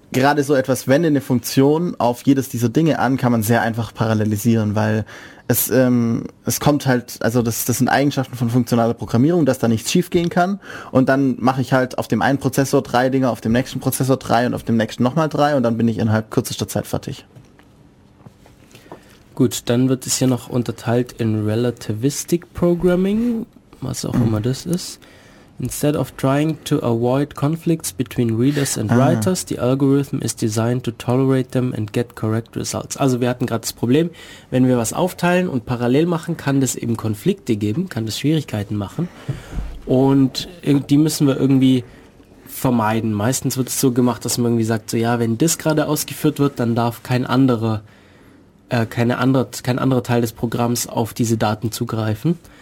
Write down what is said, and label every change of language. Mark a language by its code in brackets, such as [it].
[de] gerade so etwas, wenn eine Funktion auf jedes dieser Dinge an, kann man sehr einfach parallelisieren, weil es kommt halt, also das sind Eigenschaften von funktionaler Programmierung, dass da nichts schief gehen kann, und dann mache ich halt auf dem einen Prozessor 3 Dinge, auf dem nächsten Prozessor 3 und auf dem nächsten nochmal 3 und dann bin ich innerhalb kürzester Zeit fertig. Gut, dann wird es hier noch unterteilt in Relativistic Programming, was auch immer das ist. [en] Instead of trying to avoid conflicts between readers and writers, the algorithm is designed to tolerate them and get correct results. [de] Also wir hatten gerade das Problem, wenn wir was aufteilen und parallel machen, kann das eben Konflikte geben, kann das Schwierigkeiten machen. Und die müssen wir irgendwie vermeiden. Meistens wird es so gemacht, dass man irgendwie sagt, so ja, wenn das gerade ausgeführt wird, dann darf kein anderer Teil des Programms auf diese Daten zugreifen.